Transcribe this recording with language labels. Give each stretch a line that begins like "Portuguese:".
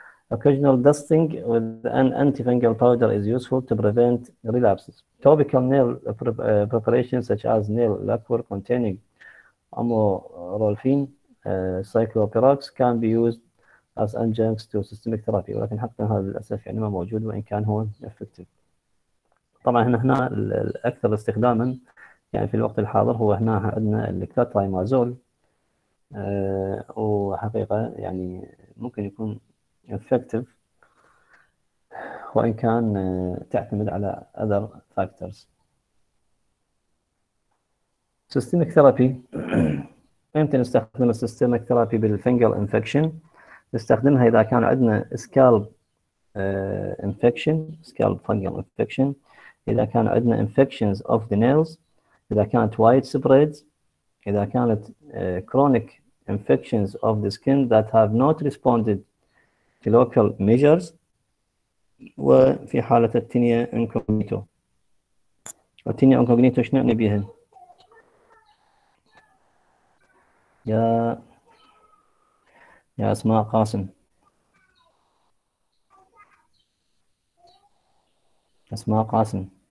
English: Occasional dusting with an antifungal powder is useful to prevent relapses. Topical nail preparations such as nail lacquer containing amorolfine, cyclopirox can be used as adjuncts to systemic therapy.
Arabic: ولكن حقا هذا للأسف يعني ما موجود وإن كان هو effective. طبعا هنا الاكثر استخداما يعني في الوقت الحاضر هو هنا عندنا الكلوترايمازول، وحقيقه يعني ممكن يكون effective وان كان تعتمد على
English: other factors. systemic therapy،
Arabic: امتى نستخدم
English: systemic therapy بالفنجل infection؟
Arabic: نستخدمها اذا كان عندنا
English: scalp infection، scalp fungal infection،
Arabic: إذا كان عندنا
English: infections of the nails،
Arabic: إذا كانت
English: widespread، إذا كانت chronic infections of the skin that have not responded to local measures،
Arabic: وفي حالة التينيا
English: incognito.
Arabic: التينيا incognito شنو نعني بها؟ يا أسماء قاسم، أسماء قاسم.